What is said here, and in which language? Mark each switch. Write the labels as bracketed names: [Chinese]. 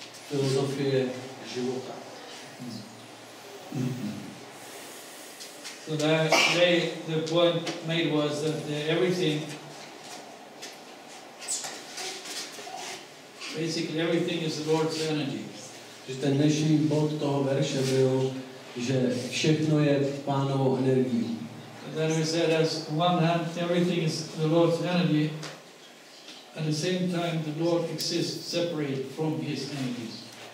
[Czech] Filozofie života. [English] So today the point made was that everything basically everything is the Lord's energy. [Czech] Že ten dnešní bod toho verše byl, že všechno je pánovou energií. [English] And then we said, as on one hand, everything is the Lord's energy, at the same time, the Lord exists separate from his energies.